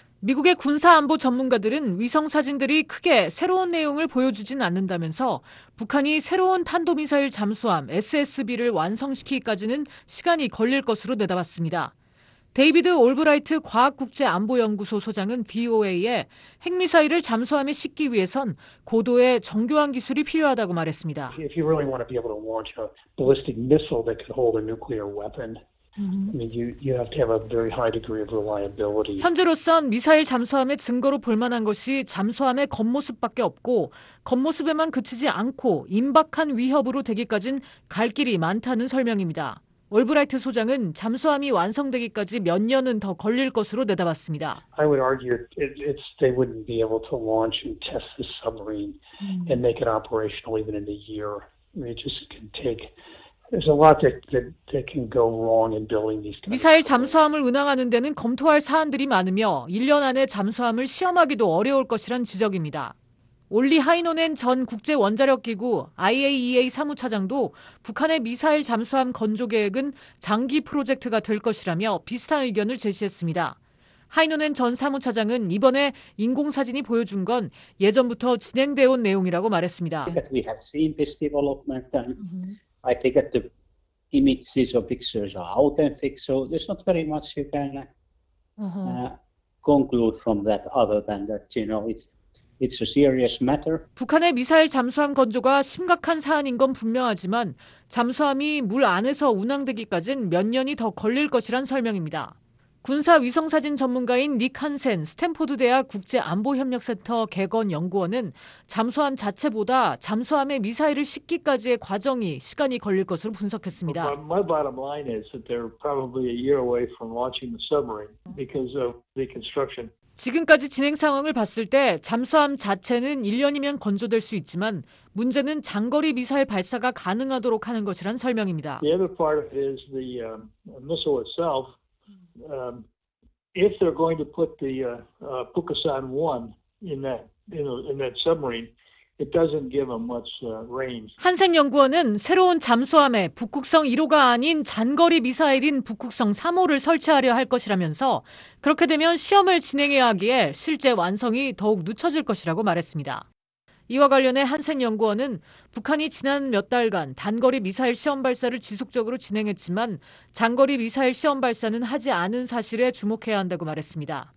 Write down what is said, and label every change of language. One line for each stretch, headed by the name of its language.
Korean: 미국의 군사안보 전문가들은 위성사진들이 크게 새로운 내용을 보여주진 않는다면서 북한이 새로운 탄도미사일 잠수함 SSB를 완성시키기까지는 시간이 걸릴 것으로 내다봤습니다. 데이비드 올브라이트 과학국제안보연구소 소장은 VOA에 핵미사일을 잠수함에 싣기 위해선 고도의 정교한 기술이 필요하다고 말했습니다.
English: If you really want to be able to launch a ballistic missile that could hold a nuclear weapon, you have to have a very high degree of reliability.
Korean: 현재로선 미사일 잠수함의 증거로 볼 만한 것이 잠수함의 겉모습밖에 없고 겉모습에만 그치지 않고 임박한 위협으로 되기까지는 갈 길이 많다는 설명입니다. 올브라이트 소장은 잠수함이 완성되기까지 몇 년은 더 걸릴 것으로 내다봤습니다.
English: I would argue they wouldn't be able to launch and test the submarine and make it operational even in a year. It just can take. There's a lot that can go wrong in building these kinds.
Korean: 미사일 잠수함을 운항하는 데는 검토할 사안들이 많으며 1년 안에 잠수함을 시험하기도 어려울 것이란 지적입니다. 올리 하이노넨 전 국제원자력기구 IAEA 사무차장도 북한의 미사일 잠수함 건조 계획은 장기 프로젝트가 될 것이라며 비슷한 의견을 제시했습니다. 하이노넨 전 사무차장은 이번에 인공사진이 보여준 건 예전부터 진행되어 온 내용이라고 말했습니다.
English: We have seen this development done. I think that the images or pictures are authentic, so there's not very much you can conclude from that other than that, you know, It's a serious matter.
Korean: 북한의 미사일 잠수함 건조가 심각한 사안인 건 분명하지만 잠수함이 물 안에서 운항되기까지는 몇 년이 더 걸릴 것이란 설명입니다. 군사 위성사진 전문가인 닉 한센 스탠포드 대학 국제안보협력센터 개건 연구원은 잠수함 자체보다 잠수함에 미사일을 싣기까지의 과정이 시간이 걸릴 것으로 분석했습니다.
English: My bottom line is that they're probably a year away from launching the submarine because of the construction.
Korean: 지금까지 진행 상황을 봤을 때 잠수함 자체는 1년이면 건조될 수 있지만 문제는 장거리 미사일 발사가 가능하도록 하는 것이란 설명입니다.
English: The other part is the missile itself. If they're going to put the Pukasan 1 in that submarine, it doesn't give them much range.
Korean: 한센 연구원은 새로운 잠수함에 북극성 1호가 아닌 잔거리 미사일인 북극성 3호를 설치하려 할 것이라면서 그렇게 되면 시험을 진행해야 하기에 실제 완성이 더욱 늦춰질 것이라고 말했습니다. 이와 관련해 한센 연구원은 북한이 지난 몇 달간 단거리 미사일 시험 발사를 지속적으로 진행했지만 장거리 미사일 시험 발사는 하지 않은 사실에 주목해야 한다고 말했습니다.